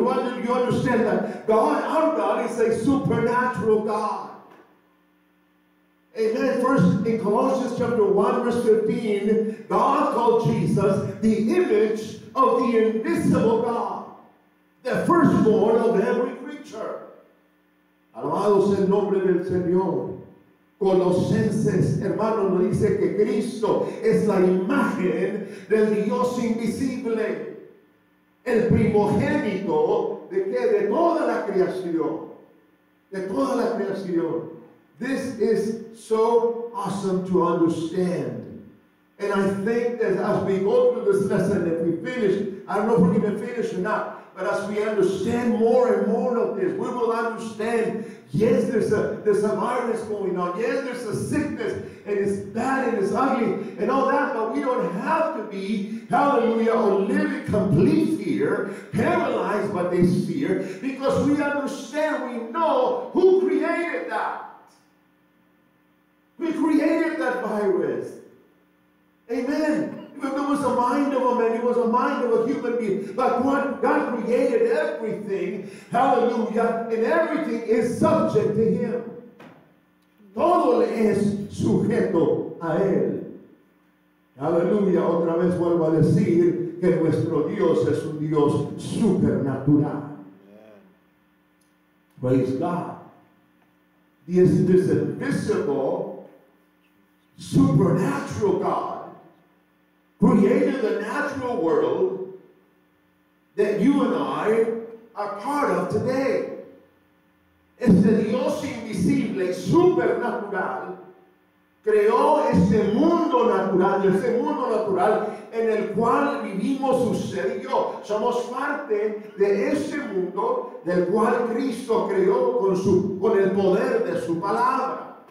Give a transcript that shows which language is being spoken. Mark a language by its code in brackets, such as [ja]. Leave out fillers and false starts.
[en] Do you understand that? God, our God, is a supernatural God. Amen. First, in Colossians chapter 1, verse 15, God called Jesus the image of the invisible God, the firstborn of every creature. [es] Alabados el nombre del Señor. Colosenses, hermano, nos dice que Cristo es la imagen del Dios invisible, el primogénito de que de toda la creación, de toda la creación. [en] This is so awesome to understand. And I think that as we go through this lesson, if we finish, I don't know if we're going to finish or not, but as we understand more and more of this, we will understand, yes, there's a virus going on. Yes, there's a sickness, and it's bad, and it's ugly, and all that, but we don't have to be, hallelujah, or live in complete fear, paralyzed by this fear, because we understand, we know who created that. We created that virus. Amen. It was a mind of a man. It was a mind of a human being. But God created everything. Hallelujah. And everything is subject to Him. [es] Todo le es sujeto a Él. [en] Hallelujah. [es] Otra vez vuelvo a decir que nuestro Dios es un Dios supernatural. [en] Praise God. This invisible, supernatural God created the natural world that you and I are part of today. [es] Este Dios invisible, supernatural, creó ese mundo natural, en el cual vivimos usted y yo. Somos parte de ese mundo del cual Cristo creó con el poder de su palabra.